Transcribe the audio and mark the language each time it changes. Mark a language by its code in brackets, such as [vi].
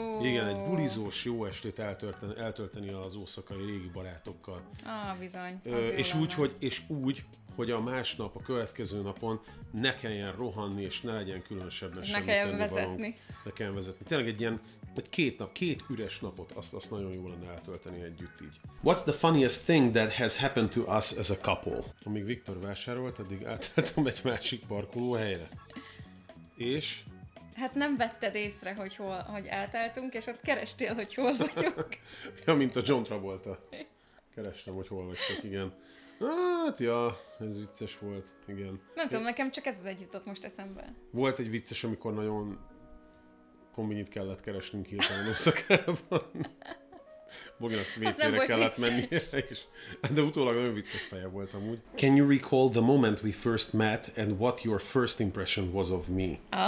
[hu] Igen, egy bulizós jó estét eltölteni az ószakai régi barátokkal. Bizony. És úgy, hogy a másnap, a következő napon ne kelljen rohanni, és ne legyen különösebben semmit tenni valamit. Ne kelljen vezetni. Tényleg két üres napot, azt nagyon jól lenne eltölteni együtt így. [en] What's the funniest thing that has happened to us as a couple? [hu] Amíg Viktor vásárolt, addig átálltam egy másik parkolóhelyre. És? Hát nem vetted észre, hogy átálltunk, és ott kerestél, hogy hol vagyok. Ja, mint a John Travolta. Kerestem, hogy hol vagytok, igen. Hát, ja, ez vicces volt, igen. Nem tudom, nekem csak ez az egy jutott most eszembe. Volt egy vicces, amikor nagyon kombinit kellett keresnünk hirtelen Oszakában. Boginak vécére kellett mennie, és... De utólag nagyon vicces feje volt amúgy. [en] Can you recall the moment we first met and what your first impression was of me?